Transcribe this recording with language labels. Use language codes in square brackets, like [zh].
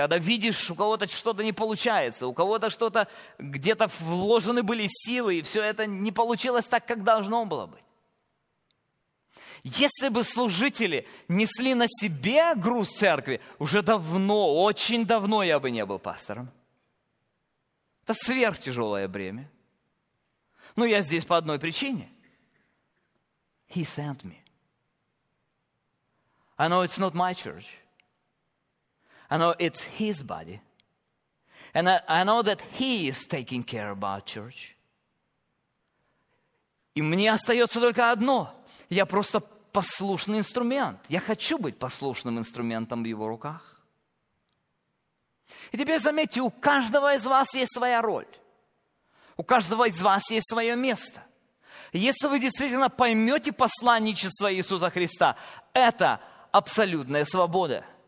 [ru] Когда видишь, у кого-то что-то не получается, у кого-то что-то, где-то вложены были силы, и все это не получилось так, как должно было быть. Если бы служители несли на себе груз церкви, уже давно, очень давно я бы не был пастором. Это сверхтяжелое бремя. Но я здесь по одной причине. [en] He sent me. I know it's not my church. I know it's his body. And I know that he is taking care about church. [ru] И мне остается только одно. Я просто послушный инструмент. Я хочу быть послушным инструментом в его руках. И теперь заметьте, у каждого из вас есть своя роль. У каждого из вас есть свое место. Если вы действительно поймете посланничество Иисуса Христа, это абсолютная свобода.